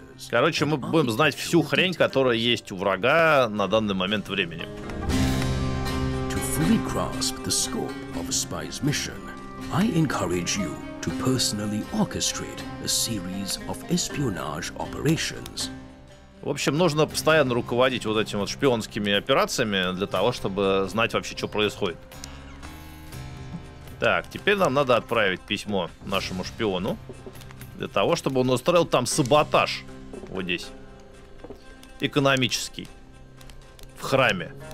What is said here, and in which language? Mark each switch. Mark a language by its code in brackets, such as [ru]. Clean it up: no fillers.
[ru] Короче, мы будем знать всю хрень, которая есть у врага на данный момент времени. [en] Fully grasp the scope of a spy's mission, I encourage you to personally orchestrate a series of espionage operations. [ru] В общем, нужно постоянно руководить вот этими вот шпионскими операциями для того, чтобы знать вообще, что происходит. Так, теперь нам надо отправить письмо нашему шпиону для того, чтобы он устроил там саботаж вот здесь экономический в храме.